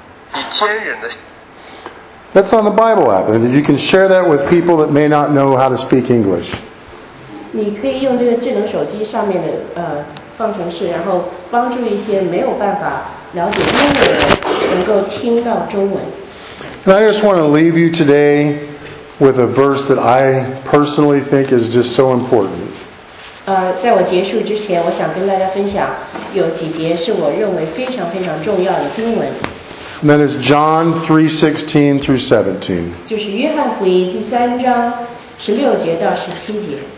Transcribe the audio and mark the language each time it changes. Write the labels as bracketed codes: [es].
[zh] 崇拜的时候读到希伯来书12:1。希伯来书12:12。Hebrews 12:12。我们既然有这么多的见证人，像云彩围绕着我们，就应该脱下各种拖累和容易缠住我们的罪，以坚忍的。 [en] That's on the Bible app, and you can share that with people that may not know how to speak English. [zh] 你可以用这个智能手机上面的方程式，然后帮助一些没有办法了解中文的人能够听到中文。 [en] And I just want to leave you today with a verse that I personally think is just so important. [zh] 在我结束之前，我想跟大家分享有几节是我认为非常非常重要的经文。 [en] And that is John 3:16-17. [zh] 就是约翰福音第三章16节到17节。